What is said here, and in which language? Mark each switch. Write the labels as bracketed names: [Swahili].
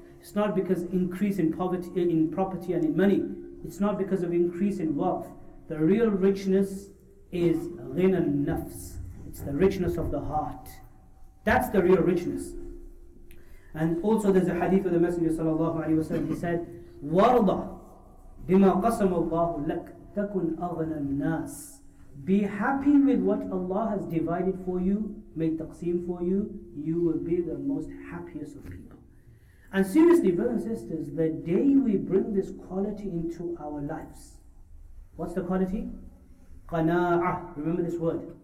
[English] It's not because increase in poverty, in property and in money. It's not because of increase in wealth. The real richness is [Arabic] غِنَى النَّفْسِ. [English] It's the richness of the heart. That's the real richness. And also there's a hadith of the Messenger sallallahu alayhi wa sallam. He said, [Arabic] وَرْضَى بِمَا قَسَمَ اللَّهُ لَكَ تَكُنْ أَغْنَى النَّاسِ. [English] Be happy with what Allah has divided for you, made taqseem for you, you will be the most happiest of people. And seriously, brothers and sisters, the day we bring this quality into our lives, what's the quality? قَنَاعَة. Remember this word.